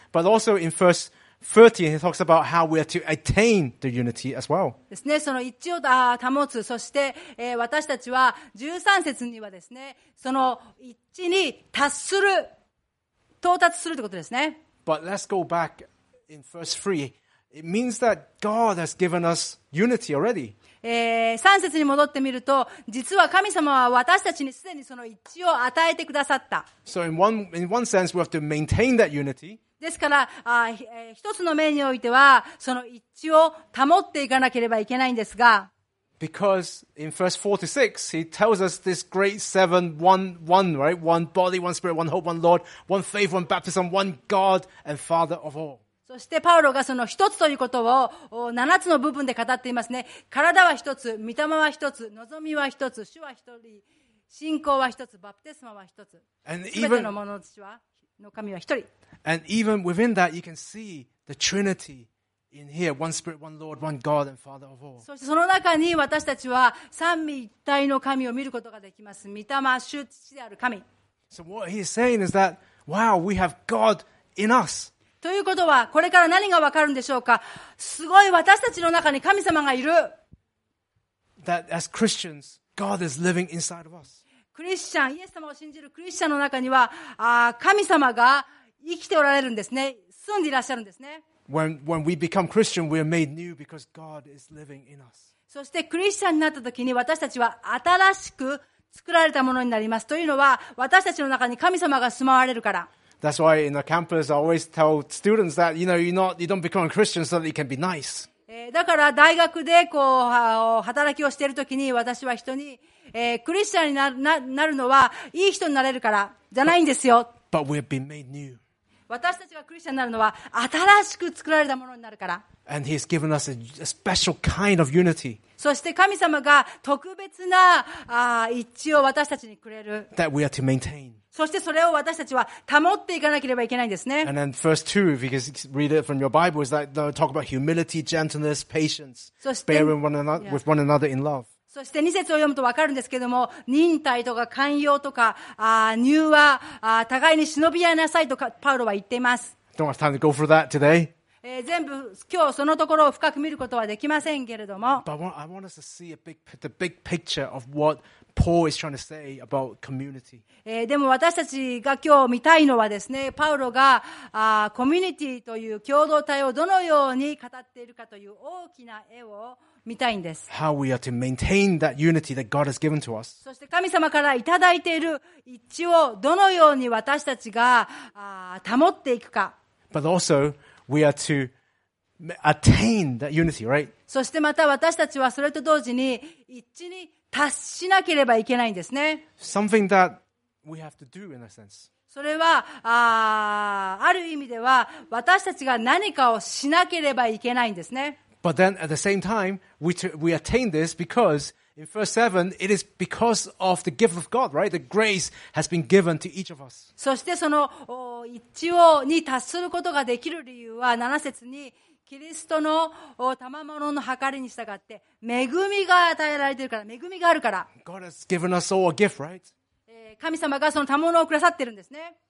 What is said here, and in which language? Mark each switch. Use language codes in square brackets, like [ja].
[en] But also in verse 13, he talks about how we are to attain the unity as well. [ja] ですね、その一致を保つ、そして、私たちは13節にはですね、その一致に達する、到達するということですね。 [en] But let's go back in verse 3. It means that God has given us unity already. [ja] 3節に戻ってみると実は神様は私たちにすでにその一致を与えてくださった。 [en] So in one sense we have to maintain that unity. [ja] ですから一つの面においてはその一致を保っていかなければいけないんですが、 [en] Because in verse 46 he tells us this great seven one, right? One body, one spirit, one hope, one Lord, one faith, one baptism, one God and Father of all. [ja] そしてパウロがその一つということを七つの部分で語っていますね。体は一つ、御霊は一つ、望みは一つ、主は一人、信仰は一つ、バプテスマは一つ。 [en] And、 [ja] 全てのものたちはの神は一人。 [en] And even within that, you can see the Trinity in here: one Spirit, one Lord, one God and Father of all. [ja] そしてその中に私たちは三位一体の神を見ることができます。御霊、主、父である神。 [en] So what he is saying is that, wow, we have God in us. [ja] ということはこれから何がわかるんでしょうか。すごい、私たちの中に神様がいる。 [en] That as Christians, God is living inside of us. [ja] クリスチャン、イエス様を信じるクリスチャンの中には神様が生きておられるんですね。住んでいらっしゃるんですね。 [en] When we become Christian, we are made new because God is living in us. [ja] そしてクリスチャンになった時に私たちは新しく作られたものになります。というのは私たちの中に神様が住まわれるから。 [en] That's why in the campus I always tell students that you know you don't become a Christian so that you can be nice. [ja] だから大学でこう働きをしているときに私は人に、クリスチャンになるのはいい人になれるからじゃないんですよ。 [en] But we've been made new. [ja] 私たちがクリスチャンになるのは新しく作られたものになるから。 [en] And He's given us a special kind of unity. [ja] そして神様が特別な一致を私たちにくれる。 [en] That we are to maintain. [ja] そしてそれを私たちは保っていかなければいけないんですね。 [en] And then first two, if you read it from your Bible, is that they talk about humility, gentleness, patience, bearing one another, with one another in love. [ja] そして2節を読むと分かるんですけども、忍耐とか寛容とか、柔和、互いに忍び合いなさいとかパウロは言っています。 [en] Don't have time to go through that today. [ja] 全部今日そのところを深く見ることはできませんけれども。 [en] But I want us to see the big picture of what Paul is trying to say about community. [ja] でも私たちが今日見たいのはですね、パウロがコミュニティという共同体をどのように語っているかという大きな絵を見たいんです。 [en] How we are to maintain that unity that God has given to us. [ja] そして神様からいただいている一致をどのように私たちが保っていくか。 [en] But also, we are to attain that unity, right? [ja] そしてまた私たちはそれと同時に一致に達しなければいけないんですね。 [en] Something that we have to do in a sense. [ja] それはある意味では私たちが何かをしなければいけないんですね。 [en] But then at the same time, we attain this because in verse 7, it is because of the gift of God, right? The grace has been given to each of us. [ja] そしてその一致に達することができる理由は7節にキリストの賜物の計りに従って恵みが与えられているから、恵みがあるから。 [en] God has given us all a gift, right? [ja] 神様がその賜物をくださってるんですね。